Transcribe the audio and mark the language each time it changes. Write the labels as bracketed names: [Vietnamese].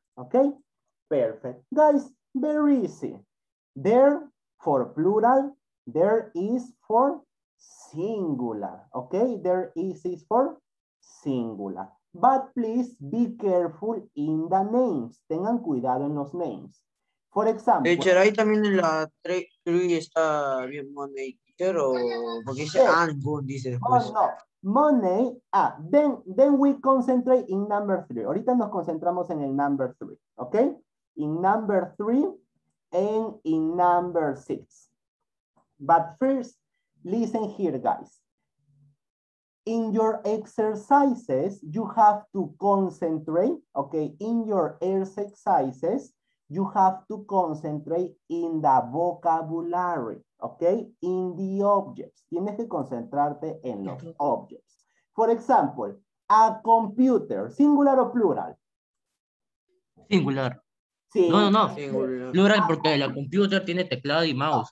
[English] Okay, perfect. Guys, very easy. There for plural, there is for singular. Okay, there is for singular. But please be careful in the names. [Spanish] Tengan cuidado en los names. [English] For example. [Spanish] Teacher, ahí también en la 3 está bien money, teacher, o porque dice algún, dice después. [English] No, no. Money, then we concentrate in number 3. [Spanish] Ahorita nos concentramos en el number 3, ¿ok? [English] In number 3 and in number 6. But first, listen here, guys. In your exercises, you have to concentrate, okay? In your exercises, you have to concentrate in the vocabulary, okay? In the objects. [Spanish] Tienes que concentrarte en los objects. [English] For example, a computer, singular [Spanish] o [English] plural? Singular. [Spanish] Sí. [English] No, no, no. Singular. [Spanish] Plural porque la computer tiene teclado y mouse.